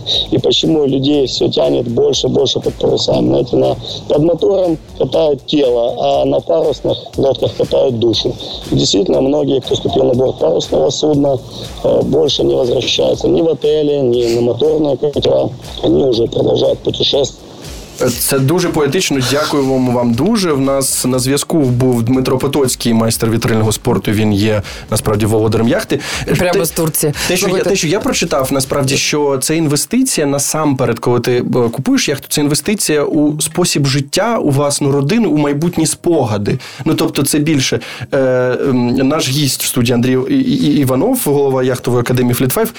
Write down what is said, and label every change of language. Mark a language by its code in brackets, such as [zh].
[ru] И почему людей все тянет больше и больше под парусами. Знаете, под мотором катают тело, а на парусных лодках катают душу. И действительно, многие, кто ступил на борт парусного судна, больше не возвращаются ни в отели, ни на моторные катера. Они уже продолжают путешествовать. [uk] Це дуже поетично. Дякуємо вам дуже. В нас на зв'язку був Дмитро Потоцький, майстер вітрильного спорту. Він є, насправді, володарем яхти. Прямо з Турції. Те, що я прочитав, насправді, що це інвестиція насамперед, коли ти купуєш яхту, це інвестиція у спосіб життя, у власну родину, у майбутні спогади. Ну, тобто, це більше. Наш гість в студії Андрій Іванов, голова яхтової академії Fleet Five.